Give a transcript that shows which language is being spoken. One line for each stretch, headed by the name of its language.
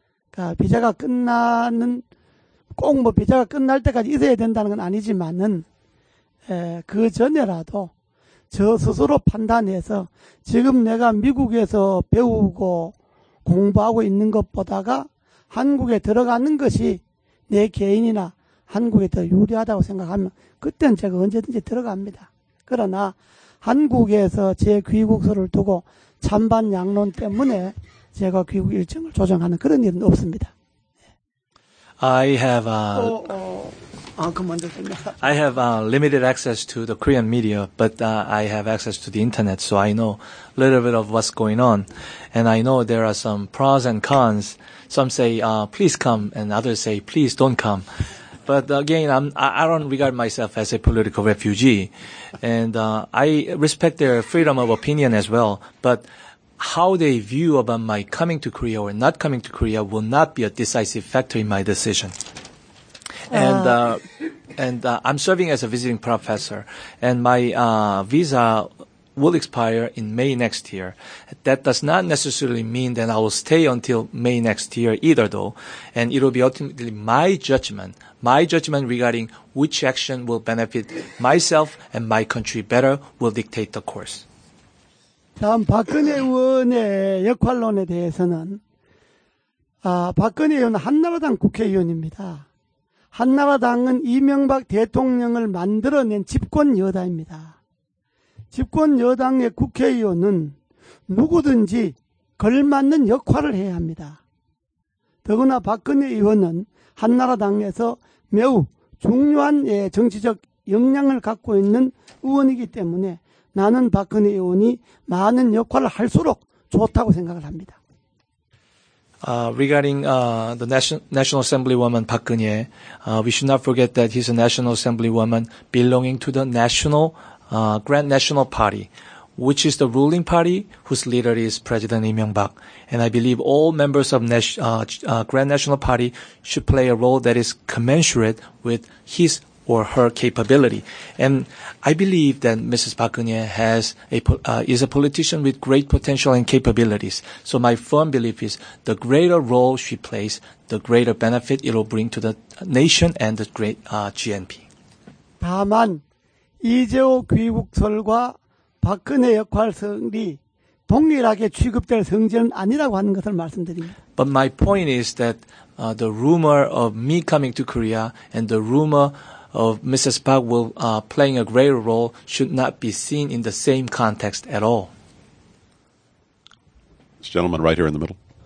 Korean: 그러니까 비자가 끝나는 꼭 뭐 비자가 끝날 때까지 있어야 된다는 건 아니지만은 그 전에라도 저 스스로 판단해서 지금 내가 미국에서 배우고 공부하고 있는 것보다가 한국에 들어가는 것이 내 개인이나 한국에 더 유리하다고 생각하면 그땐 제가 언제든지 들어갑니다. 그러나 한국에서 제 귀국서를 두고 찬반 양론 때문에 제가 귀국 일정을 조정하는 그런 일은 없습니다.
English: I have a... I have limited access to the Korean media, but I have access to the internet, so I know a little bit of what's going on. And I know there are some pros and cons. Some say, please come, and others say, please don't come. But again, I don't regard myself as a political refugee. And I respect their freedom of opinion as well, but how they view about my coming to Korea or not coming to Korea will not be a decisive factor in my decision. And I'm serving as a visiting professor, and my visa will expire in May next year. That does not necessarily mean that I will stay until May next year either, though. And it will be ultimately my judgment regarding which action will benefit myself and my country better will dictate the course.
Korean: 다음 박근혜 의원의 역할론에 대해서는 박근혜 의원은 한나라당 국회의원입니다. 한나라당은 이명박 대통령을 만들어낸 집권 여당입니다. 집권 여당의 국회의원은 누구든지 걸맞는 역할을 해야 합니다. 더구나 박근혜 의원은 한나라당에서 매우 중요한 정치적 역량을 갖고 있는 의원이기 때문에 나는 박근혜 의원이 많은 역할을 할수록 좋다고 생각을 합니다.
English: Regarding the National Assemblywoman Park Geun-hye, we should not forget that he's a National Assemblywoman belonging to the National Grand National Party, which is the ruling party whose leader is President Lee Myung-bak. And I believe all members of Grand National Party should play a role that is commensurate with his or her capability. And I believe that Mrs. Park Geun-hye is a politician with great potential and capabilities. So my firm belief is the greater role she plays, the greater benefit it will bring to the nation and the great GNP.
Korean: 다만 이재호 귀국설과 박근혜 역할 성리 동일하게 취급될 성질은 아니라고 하는 것을 말씀드립니다.
English: But my point is that the rumor of me coming to Korea and the rumor of Mrs. Park will playing a greater role should not be seen in the same context at all. This gentleman right here in the middle.